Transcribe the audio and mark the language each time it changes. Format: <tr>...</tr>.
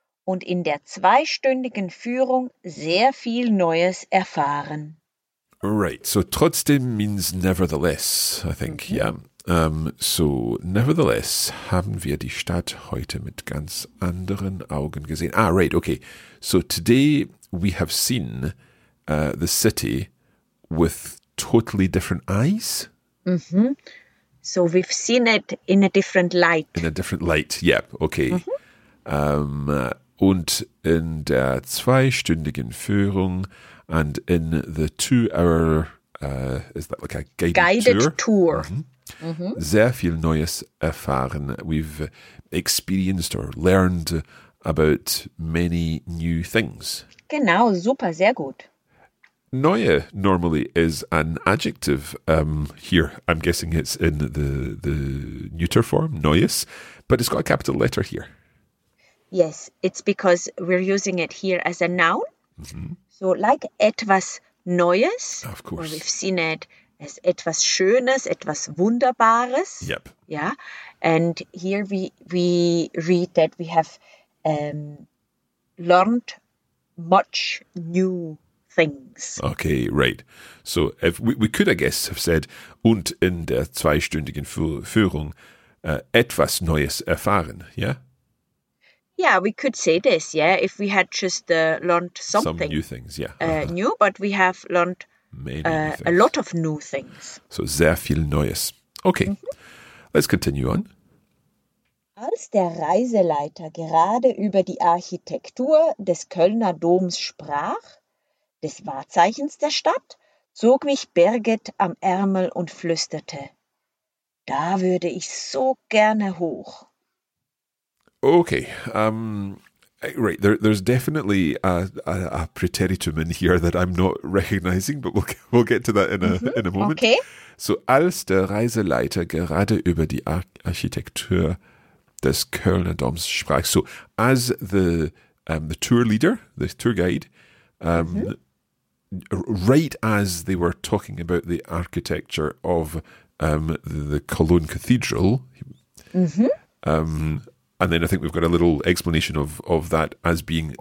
<de>Und in der zweistündigen Führung sehr viel Neues erfahren.</de> <en>Right, so trotzdem means nevertheless, I think, yeah. So nevertheless</en> <de>haben wir die Stadt heute mit ganz anderen Augen gesehen.</de> <en>Ah, right, okay. So today we have seen the city with totally different eyes. So we've seen it in a different light. In a different light, yeah, okay.</en> <de>Und in der zweistündigen Führung,</de> <en>and in the two-hour, is that like a guided tour.</en> <de>Sehr viel Neues erfahren.</de> <en>We've experienced or learned about many new things.</en> <de>Genau, super, sehr gut.</de> <en>Neue normally is an adjective here. I'm guessing it's in the neuter form, neues, but it's got a capital letter here. Yes, it's because we're using it here as a noun. Mm-hmm. So like etwas Neues. Of course. We've seen it as</en> <de>etwas Schönes, etwas Wunderbares.</de> <en>Yep. Yeah. And here we read that we have learned much new things. Okay, right. So if we could, I guess, have said</en> <de>und in der zweistündigen Führung etwas Neues erfahren,</de> <en>yeah? Yeah, we could say this, yeah, if we had just learned something. Some new things, yeah. New, but we have learned a lot of new things. So,</en> <de>sehr viel Neues.</de> <en>Okay, mm-hmm. Let's continue on.</en> <de>Als der Reiseleiter gerade über die Architektur des Kölner Doms sprach, des Wahrzeichens der Stadt, zog mich Birgit am Ärmel und flüsterte, da würde ich so gerne hoch.</de> <en>Okay, right, there's definitely a preteritum in here that I'm not recognizing, but we'll get to that in a moment. Okay. So,</en> <de>als der Reiseleiter gerade über die Architektur des Kölner Doms sprach,</de> <en>so as the tour leader, the tour guide, right as they were talking about the architecture of the Cologne Cathedral, and then I think we've got a little explanation of that as being</en>